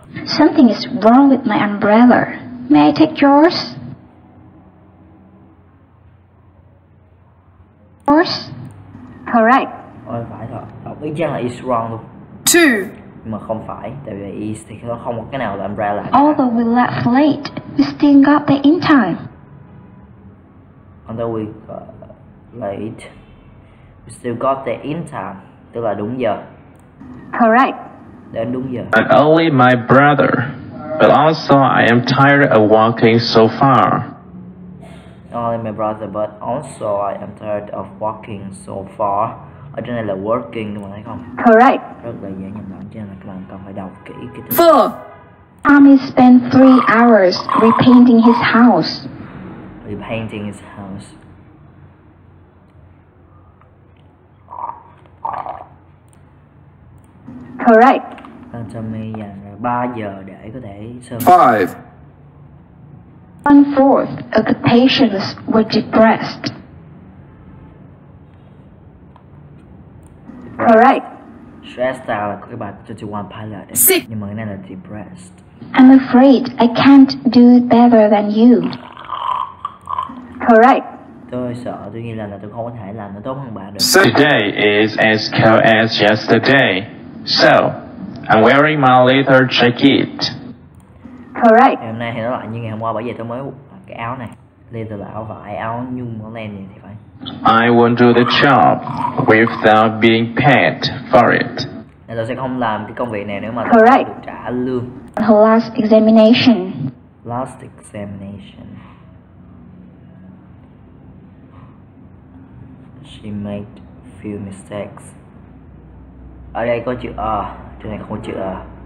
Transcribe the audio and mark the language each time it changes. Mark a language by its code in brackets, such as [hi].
[en] Something is wrong with my umbrella. May I take yours? Correct. [vi] Ôi phải thật. Đọc ý chắc là [en] is wrong [vi] luôn. [en] Two. [vi] Nhưng mà không phải. Tại vì is thì nó không có cái nào là umbrella. [en] Although we left late, we still got there in time. Although we got late, we still got there in time. [vi] Tức là đúng giờ. [en] Correct. [vi] Đến đúng giờ. [en] Not only my brother, but also I am tired of walking so far. Not only my brother, but also I am tired of walking so far. [vi] Ở trên này là working, các bạn thấy không? [en] Correct. [vi] Rất là dễ nhầm lẫn, cho nên là các bạn cần phải đọc kỹ cái từ. [en] Four. Ami spent 3 hours repainting his house. Repainting his house. Correct. [vi] Tommy dành 3 giờ để có thể sơn. 5. [en] 1/4 of the patients were depressed. Correct. Stressed out, [vi] có cái bài 21 pilot ấy. [en] Six. [vi] Nhưng mà cái này là depressed. [en] I'm afraid I can't do better than you. Correct. [vi] Tôi sợ, tôi nghĩ là tôi không có thể làm nó tốt hơn bạn được. [en] Today is as cold as yesterday. So, I'm wearing my leather jacket. Correct. [vi] Hôm nay thì nó lại như ngày hôm qua, bởi vì tôi mới mặc cái áo này. Leather là áo vải, áo nhung, áo len thì phải. [en] I won't do the job without being paid for it. [vi] Nên tôi sẽ không làm cái công việc này nếu mà [en] Correct. [vi] Tôi không được trả lương. [en] Her last examination. Last examination. She made few mistakes. [vi] Ở đây có chữ A, chỗ này không có chữ A.